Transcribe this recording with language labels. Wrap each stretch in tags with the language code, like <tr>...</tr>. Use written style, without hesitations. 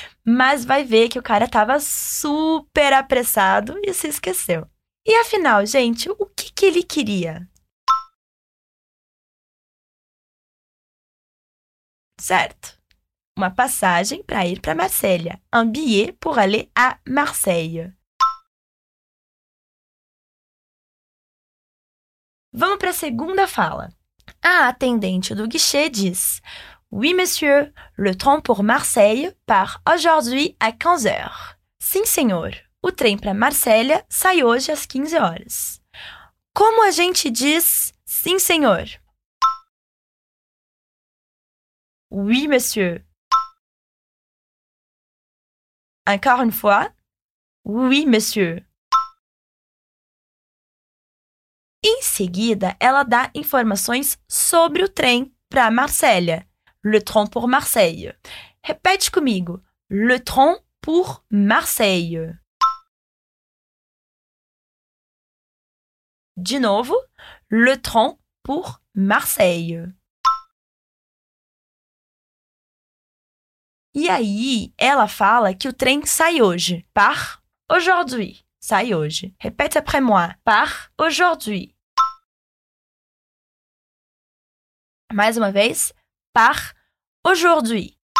<pt>Mas vai ver que o cara estava super apressado e se esqueceu. E afinal, gente, o que, que ele queria? Certo. Uma passagem para ir para Marselha.</pt> <fr>Un billet pour aller à Marseille.</fr> <pt>Vamos para a segunda fala. A atendente do guichê diz:</pt> <fr>Oui, monsieur, le train pour Marseille part aujourd'hui à 15h.</fr> <pt>Sim, senhor. O trem para Marselha sai hoje às 15 horas. Como a gente diz sim, senhor?</pt> <fr>Oui, monsieur. Encore une fois, oui, monsieur.</fr> <pt>Em seguida, ela dá informações sobre o trem para Marselha.</pt> <fr>Le train pour Marseille.</fr> <pt>Repete comigo.</pt> <fr>Le train pour Marseille.</fr> <pt>De novo,</pt> <fr>le train pour Marseille.</fr> <pt>E aí, ela fala que o trem sai hoje.</pt> <fr>Par aujourd'hui.</fr> <pt>Sai hoje. Repete</pt> <fr>après moi. Par aujourd'hui.</fr> <pt>Mais uma vez.</pt> <fr>Par aujourd'hui.</fr>